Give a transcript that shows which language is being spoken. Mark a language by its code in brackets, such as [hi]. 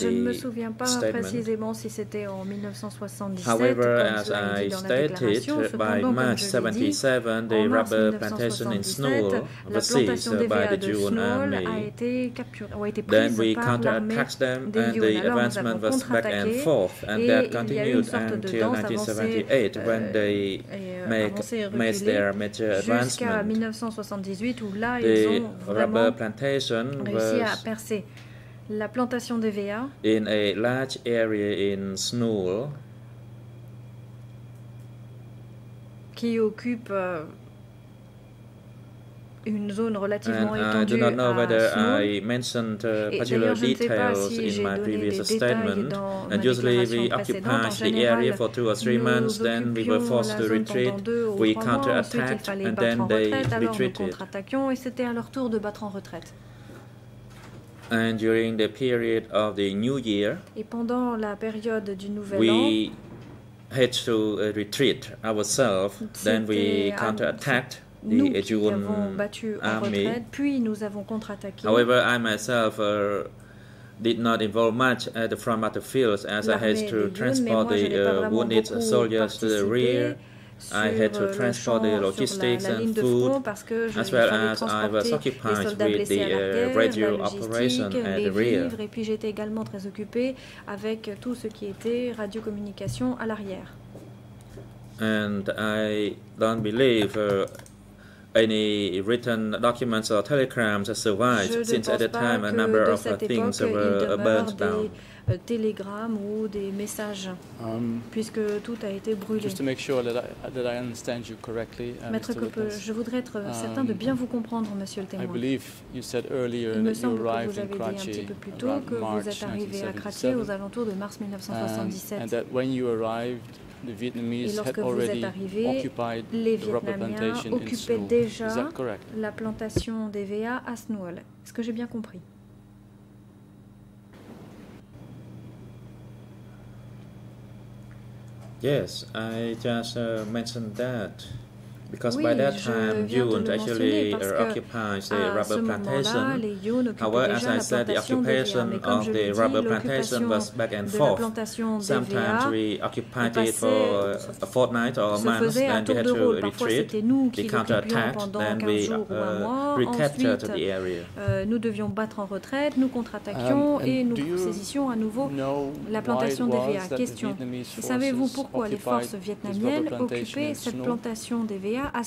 [fr] Je ne me souviens pas précisément si c'était en 1977. [en] However, as I stated, by March 77, the rubber plantation in Snowell was seized by the June army. Then we counterattacked them, and the advancement was back and forth, and that continued until 1978, when they made their major advance. [fr] Jusqu'à 1978, où là, ils ont vraiment réussi à percer la plantation d'EVA [en] in a large area in Snowell, [fr] qui occupe une zone relativement étendue. [en] I do not know whether I mentioned particular details [fr] si [en] in my previous statement. And usually we occupied the area for 2 or 3 months, then we were forced to retreat, we counterattacked, and then they retreated. [fr] Et c'était à leur tour de battre en retraite. [en] And during the period of the New Year, [fr] et pendant la période du Nouvel [en] we [fr] An, [en] had to retreat ourselves, then we counterattacked. [fr] Nous qui avons battu en retraite, puis nous avons contre-attaqué. [en] However, I myself did not involve much at the front of the fields, as I had to transport the wounded soldiers to the rear. I had to transport the logistics and food, as well as I was occupied with the radio operation at the rear. [fr] Et puis j'étais également très occupé avec tout ce qui était radiocommunication à l'arrière. [en] And I don't believe any written documents or telegrams survived, since at the time a number of things were burnt down. [fr] Télégrammes ou des messages, puisque tout a été brûlé. [en] Just to make sure that I understand you correctly, [fr] Maître Kopeu, je voudrais être certain de bien vous comprendre, Monsieur le témoin. [en] I believe you said earlier [fr] il me semble [en] that you arrived [fr] que vous avez dit un petit peu plus tôt que vous êtes arrivé à Kratie aux alentours de mars 1977. [en] And that when you arrived, the Vietnamese had already occupied the rubber plantation in Snowell. [fr] Déjà [en] is that correct? [fr] La plantation d'EVA à Snowell. Est-ce que j'ai bien compris? [en] Yes, I just mentioned that. Because [fr] oui, [en] by that time, Yun actually occupied the rubber plantation. However, as I said, the occupation of the rubber plantation was back and forth. Sometimes we occupied it for a fortnight or a month, then we had to retreat, we counterattacked, then we recaptured the area. [fr] Nous devions battre en retraite, nous contre-attaquions et nous saisissions à nouveau la plantation d'EVA. Question. Savez-vous pourquoi les forces vietnamiennes occupaient cette plantation d'EVA?